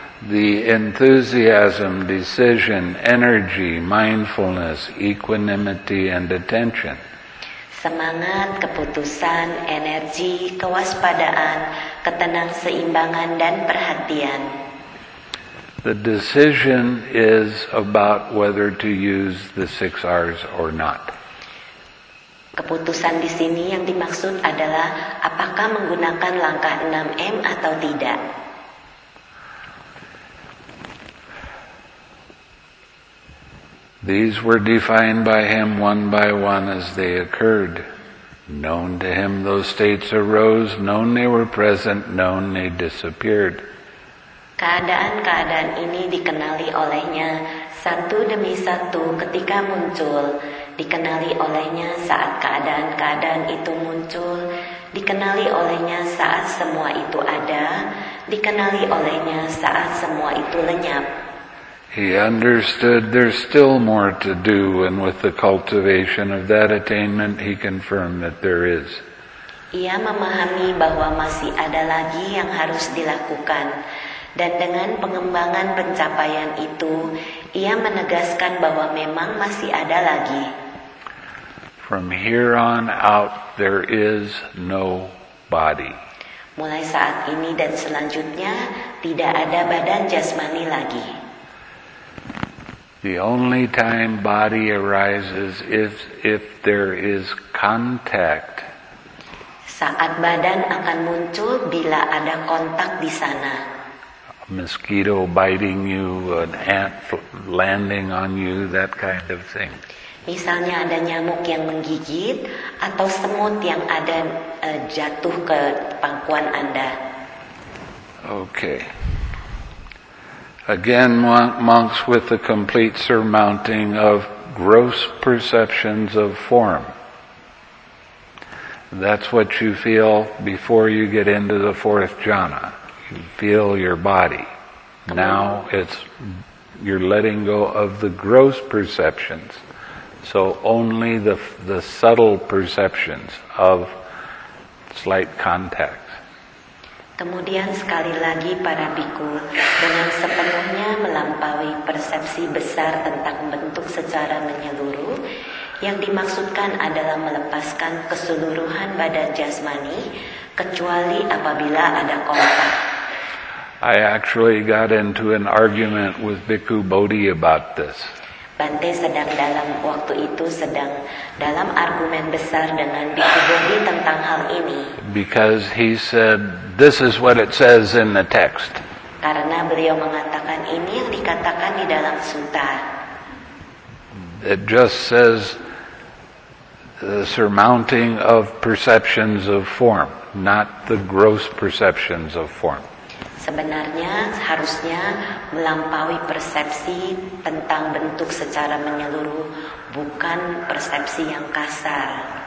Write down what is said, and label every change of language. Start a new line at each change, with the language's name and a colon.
English: The enthusiasm, decision, energy, mindfulness, equanimity and attention.
Indonesian: Semangat, keputusan, energi, kewaspadaan, ketenang seimbangan dan perhatian.
English: The decision is about whether to use the six R's or not.
Indonesian: Keputusan di sini yang dimaksud adalah apakah menggunakan langkah 6M atau tidak.
English: These were defined by him one by one as they occurred. Known to him those states arose, known they were present, known they disappeared.
Indonesian: Keadaan-keadaan ini dikenali olehnya satu demi satu ketika muncul, dikenali olehnya saat keadaan-keadaan itu muncul, dikenali olehnya saat semua itu ada, dikenali olehnya saat semua itu lenyap.
English: He understood there's still more to do, and with the cultivation of that attainment, he confirmed that there is.
Indonesian: Ia memahami bahwa masih ada lagi yang harus dilakukan, dan dengan pengembangan pencapaian itu, ia menegaskan bahwa memang masih ada lagi.
English: From here on out, there is no body.
Indonesian: Mulai saat ini dan selanjutnya, tidak ada badan jasmani lagi.
English: The only time body arises is if there is contact.
Indonesian: Saat badan akan muncul bila ada kontak di sana.
English: A mosquito biting you, an ant landing on you, that kind of thing.
Indonesian: Misalnya ada nyamuk yang menggigit atau semut yang ada jatuh ke pangkuan Anda.
English: Okay. Again, monks with the complete surmounting of gross perceptions of form. That's what you feel before you get into the fourth jhana. You feel your body. Now it's you're letting go of the gross perceptions. So only the subtle perceptions of slight contact.
Indonesian: Kemudian sekali lagi para bhikkhu dengan sepenuhnya melampaui persepsi besar tentang bentuk secara menyeluruh, yang dimaksudkan adalah melepaskan keseluruhan badan jasmani kecuali apabila ada kontak.
English: I actually got into an argument with Bhikkhu Bodhi about this.
Indonesian: Bante sedang dalam waktu itu sedang dalam argumen besar dengan Bhikkhu Bodhi tentang hal ini.
English: Because he said, this is what it says in the text.
Indonesian: Karena beliau mengatakan ini yang dikatakan di dalam sutta.
English: It just says the surmounting of perceptions of form, not the gross perceptions of form.
Indonesian: Sebenarnya harusnya melampaui persepsi tentang bentuk secara menyeluruh, bukan persepsi yang kasar.